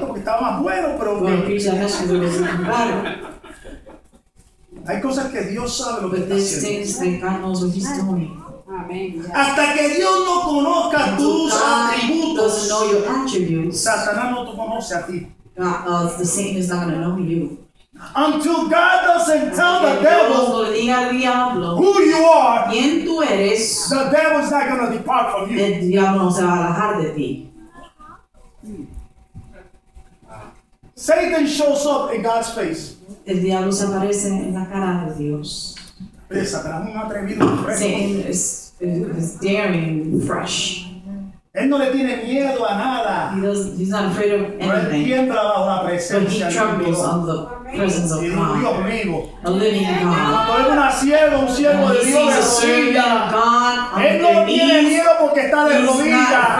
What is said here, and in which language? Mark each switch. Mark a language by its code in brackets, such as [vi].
[es] porque estaba más bueno, pero hay cosas que Dios sabe lo que está haciendo. Hasta que Dios no conozca tus atributos, Satanás no te conoce a ti. [en] The same is not going to know you. Until God doesn't tell the devil [es] diablo, [en] who you are, [es] quien tú eres, [en] the devil is not going to depart from you. [es] El diablo no se va a alejar de ti. [en] Satan shows up in God's face. [es] El diablo se aparece en la cara de Dios. [en] Satan is daring, fresh. [es] Él no le tiene miedo a nada. [en] He's not afraid of anything. But he trembles on the presence of God. A living God. [es] Un siervo, un siervo de Dios. [en] He's a servant of God. [es] Él no tiene miedo porque está de rodilla.